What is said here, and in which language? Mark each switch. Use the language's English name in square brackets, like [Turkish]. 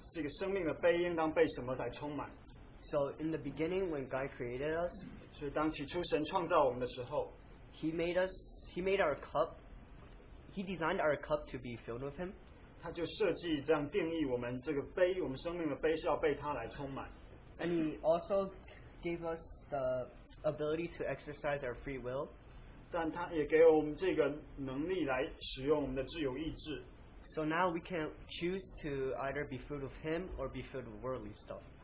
[Chinese] 我今天想分享的就是我们的这个生命的杯应当被什么来充满。 [English] So in the beginning, when God created us, [Chinese] 就是当起初神创造我们的时候, [English] He made our cup, He designed our cup to be filled with Him. [Chinese] 他就设计这样定义我们这个杯，我们生命的杯是要被他来充满。 [English] And He also gave us the ability to exercise our free will. [Chinese] 但他也给我们这个能力来使用我们的自由意志。 [English] So now we can choose to either be filled with Him or be filled with worldly stuff.